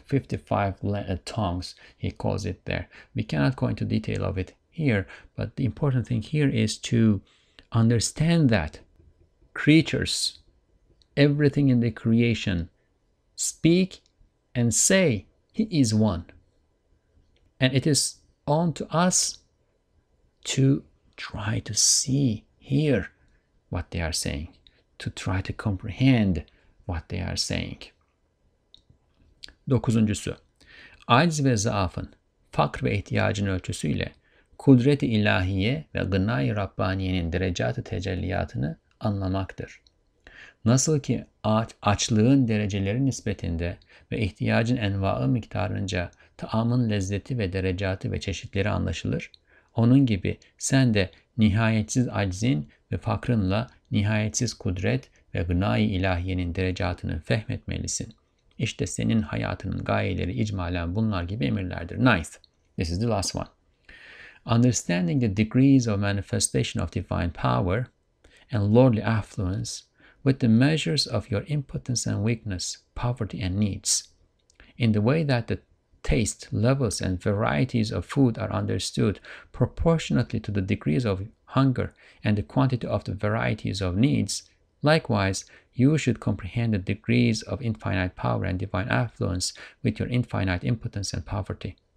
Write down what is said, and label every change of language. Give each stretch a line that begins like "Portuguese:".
English: 55 tongues, he calls it there. We cannot go into detail of it here, but the important thing here is to understand that creatures, everything in the creation, speak and say he is one. And it is on to us to try to see, hear what they are saying, to try to comprehend what they are saying.
Turkish: Dokuzuncusu, aciz ve zaafın, fakr ve ihtiyacın ölçüsüyle kudret-i ilahiye ve gına-i rabbaniyenin derecat-ı tecelliyatını anlamaktır. Nasıl ki açlığın dereceleri nispetinde ve ihtiyacın enva-ı miktarınca taamın lezzeti ve derecatı ve çeşitleri anlaşılır, onun gibi sen de nihayetsiz aczin ve fakrınla nihayetsiz kudret ve gına-i ilahiyenin derecatını fehmetmelisin. İşte senin hayatının gayeleri icmalen bunlar gibi emirlerdir.
English: Nice. This is the last one. Understanding the degrees of manifestation of divine power and lordly affluence with the measures of your impotence and weakness, poverty and needs, in the way that the taste, levels and varieties of food are understood proportionately to the degrees of hunger and the quantity of the varieties of needs, likewise, you should comprehend the degrees of infinite power and divine affluence with your infinite impotence and poverty.